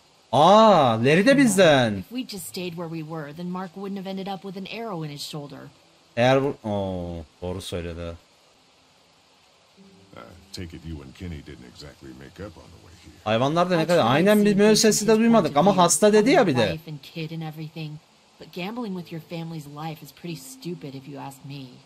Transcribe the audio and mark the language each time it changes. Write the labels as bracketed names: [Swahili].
[Turkish] Aa, Larry de bizden. [English] If we just stayed where we were, then Mark wouldn't have ended up with an arrow in his shoulder. [Turkish] Eğer bu... Oo, doğru söyledi. [English] Take it you and Kenny didn't exactly make up on the way here. [Turkish] Hayvanlar da ne kadar... Aynen bir müezzin sesi de duymadık ama hasta dedi ya bir de. [English] Wife and kid and everything. But gambling with your family's life is pretty stupid if you ask me.